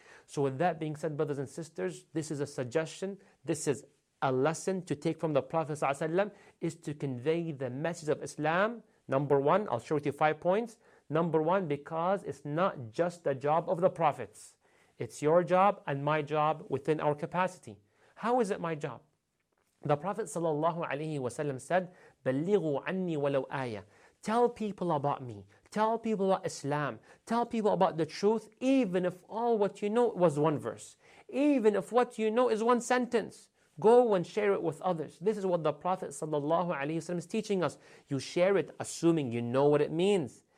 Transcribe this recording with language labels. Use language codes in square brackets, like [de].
[en] So with that being said, brothers and sisters, this is a suggestion. This is a lesson to take from the Prophet ﷺ, is to convey the message of Islam. Number one, I'll share with you 5 points. Number one, because it's not just the job of the prophets. It's your job and my job within our capacity. How is it my job? The Prophet ﷺ said, [ar] بَلِّغُوا عَنِّي وَلَوْ آيَةً. [en] Tell people about me. Tell people about Islam. Tell people about the truth, even if all what you know was one verse. Even if what you know is one sentence. Go and share it with others. This is what the Prophet sallallahu alaihi wasallam is teaching us. You share it assuming you know what it means.